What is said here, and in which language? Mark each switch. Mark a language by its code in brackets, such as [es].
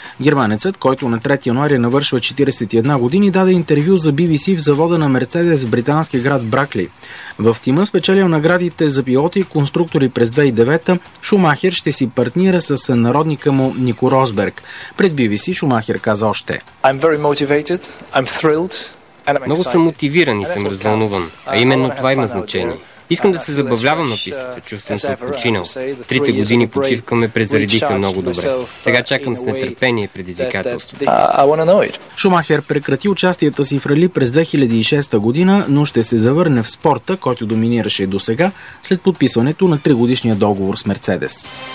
[bg] Германецът, който на 3 януари навършва 41 години, даде интервю за BBC в завода на Мерцедес в британския град Бракли. В тима, спечелил наградите за пилоти и конструктори през 2009, Шумахер ще си партнира с сънародника му Нико Росберг. Пред BBC Шумахер каза още: [en] I'm very motivated, I'm thrilled, and I'm [bg] много съм мотивиран и съм развълнуван, а именно това има значение. Искам да се забавлявам на пистата, чувствам се отпочинал. Трите години почивка ме презаредиха много добре. Сега чакам с нетърпение предизвикателството. Шумахер прекрати участията си в рали през 2006 година, но ще се завърне в спорта, който доминираше до сега, след подписването на 3-годишния договор с Мерцедес.